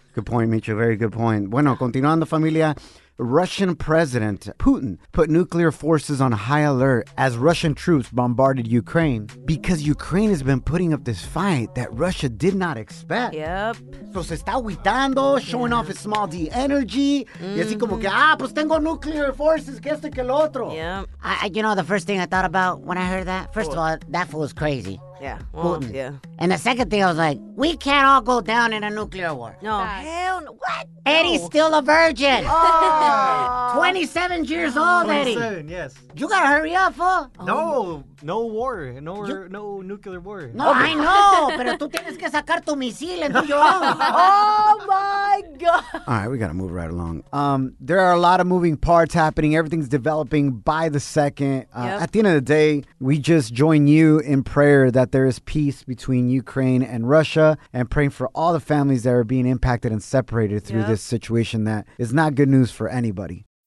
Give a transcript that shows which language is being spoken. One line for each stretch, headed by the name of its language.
English: Good point, Micho. Very good point.
Spanish: Bueno, continuando, familia.
English: Russian President Putin put nuclear forces on high alert as Russian troops bombarded Ukraine because Ukraine has been putting up this fight that Russia did not expect. Yep. So
Spanish: se está agüitando,
English: showing off his small D energy.
Spanish: Mm-hmm. Y así como que, ah, pues tengo
English: nuclear forces,
Spanish: que este que el otro.
English: Yep. I, you know, the first thing I thought about when I heard that, first of all, that fool is crazy. Yeah. Putin. Well, yeah. And the second thing, I was like, we can't all go down in a nuclear war. No. Hell no. What? Eddie's still a virgin. Oh. 27 years old, Eddie. 27, yes. You gotta hurry up, huh? No. No war. No, you, no nuclear war. No, okay. I know.
Spanish: Pero tú tienes que sacar tu misil en tu yo.
English: Oh, my God. All right, we gotta move right along. There are a lot of moving parts happening. Everything's developing by the second. At the end of the day, we just join you in prayer that there is peace between Ukraine and Russia and praying for all the families that are being impacted and separated through this situation that is not good news for anybody.